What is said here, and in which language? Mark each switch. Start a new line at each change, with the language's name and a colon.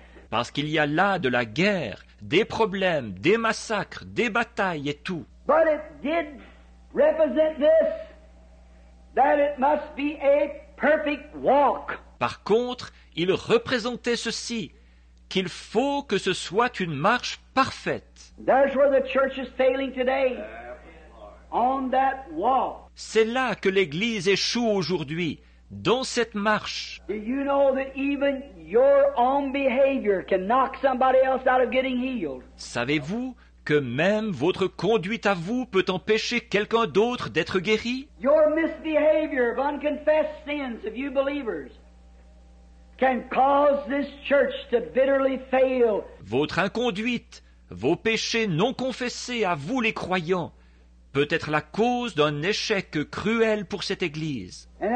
French: Parce qu'il y a là de la guerre, des problèmes, des massacres, des batailles et tout.
English: But it did represent this, that it must be a perfect walk.
French: Par contre, il représentait ceci, qu'il faut que ce soit une marche parfaite.
English: That's where the church is failing today, on that walk.
French: C'est là que l'Église échoue aujourd'hui, dans cette marche.
English: Do you know that even your own behavior can knock somebody else out of getting healed?
French: Savez-vous que même votre conduite à vous peut empêcher quelqu'un d'autre d'être guéri?
English: Your misbehavior of unconfessed sins of you believers can cause this church to bitterly fail.
French: Votre inconduite, vos péchés non confessés à vous les croyants, peut être la cause d'un échec cruel pour cette Église.